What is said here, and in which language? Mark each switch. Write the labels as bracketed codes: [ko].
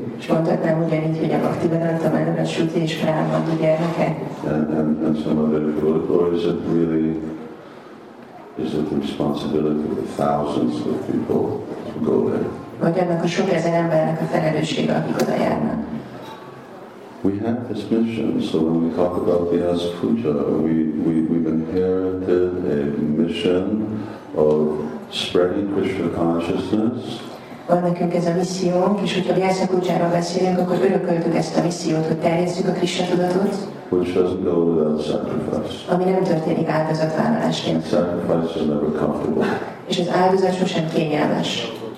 [hu] És mondhatnám ugyanígy, hogy a Bhaktivinoda Nanda Shruti és Pranabandhu gyermeke? [en] And some other good, or is it really, is it the responsibility of the thousands of people to go there? [hu] Vagy annak a sok ezer embernek a felelőssége, akik oda járnak. [en] We have this mission. So when we talk about the Asa Puja, we've inherited a mission of spreading Krishna consciousness. [hu] Van nekünk ez a misszió, és hogyha az Asa Pujáról beszélünk, akkor örököltük ezt a missziót, hogy terjesszük a Krishna tudatot. [en] Which doesn't go without sacrifice. [hu] Ami nem történik áldozatvállalásként. [en] Sacrifice is never comfortable. [hu] És az áldozat sosem kényelmes.